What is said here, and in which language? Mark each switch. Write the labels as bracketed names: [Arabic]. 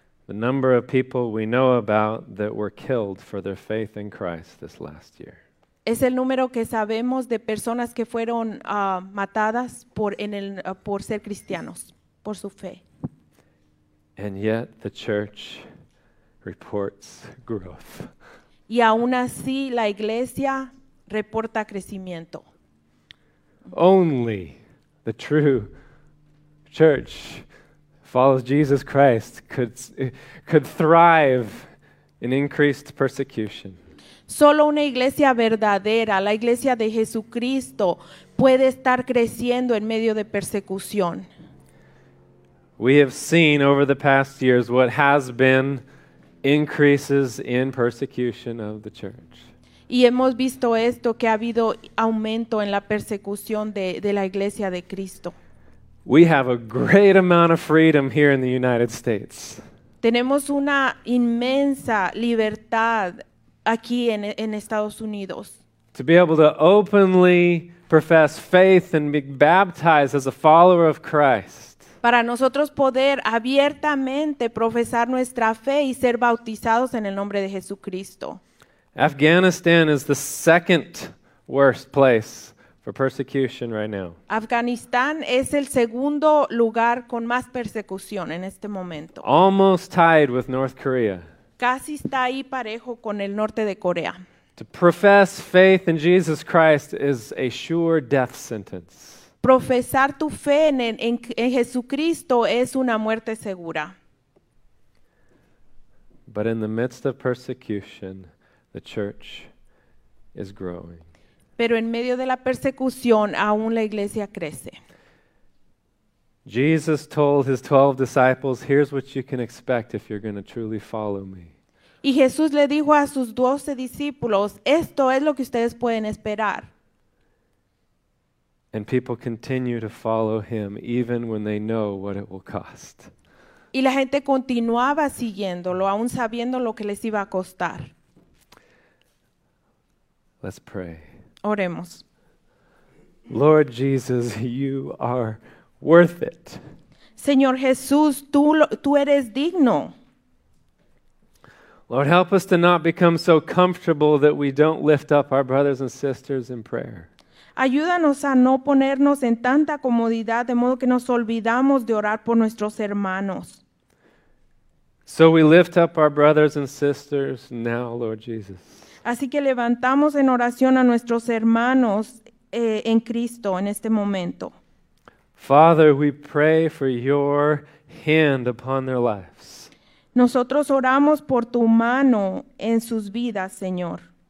[English] The number of people we know about that were killed for their faith in Christ this last year. [Spanish] Es el número que sabemos de personas que fueron matadas por ser cristianos, por su fe. [English] And yet the church reports growth. [Spanish] Y aún así la iglesia reporta crecimiento. [English] Only the true church follows Jesus Christ could thrive in increased persecution. [Spanish] Solo una iglesia verdadera, la iglesia de Jesucristo, puede estar creciendo en medio de persecución. [English] We have seen over the past years what has been increases in persecution of the church. [Spanish] Y hemos visto esto, que ha habido aumento en la persecución de la iglesia de Cristo. [English] We have a great amount of freedom here in the United States. [Spanish] Tenemos una inmensa libertad aquí en Estados Unidos. [English] To be able to openly profess faith and be baptized as a follower of Christ. [Spanish] Para nosotros poder abiertamente profesar nuestra fe y ser bautizados en el nombre de Jesucristo. [English] Afghanistan is the second worst place for persecution right now. [Spanish] Afganistán es el segundo lugar con más persecución en este momento. [English] Almost tied with North Korea. [Spanish] Casi está ahí parejo con el norte de Corea. [English] To profess faith in Jesus Christ is a sure death sentence. [Spanish] Profesar tu fe en Jesucristo es una muerte segura. [English] But in the midst of persecution, the church is growing. [Spanish] Pero en medio de la persecución, aún la iglesia crece. [English] Jesus told his 12 disciples, "Here's what you can expect if you're going to truly follow me." [Spanish] Y Jesús le dijo a sus 12 discípulos, "Esto es lo que ustedes pueden esperar." [English] And people continue to follow him even when they know what it will cost. [Spanish] Y la gente continuaba siguiéndolo aun sabiendo lo que les iba a costar. [English] Let's pray. [Spanish] Oremos. [English] Lord Jesus, you are worth it. [Spanish] Señor Jesús, tú eres digno. [English] Lord, help us to not become so comfortable that we don't lift up our brothers and sisters in prayer. [Spanish] Ayúdanos a no ponernos en tanta comodidad de modo que nos olvidamos de orar por nuestros hermanos. [English] So we lift up our brothers and sisters now, Lord Jesus. [Spanish] Así que levantamos en oración a nuestros hermanos en Cristo en este momento. [English] Father, we pray for your hand upon their lives. [Spanish] Nosotros oramos por tu mano en sus vidas, Señor.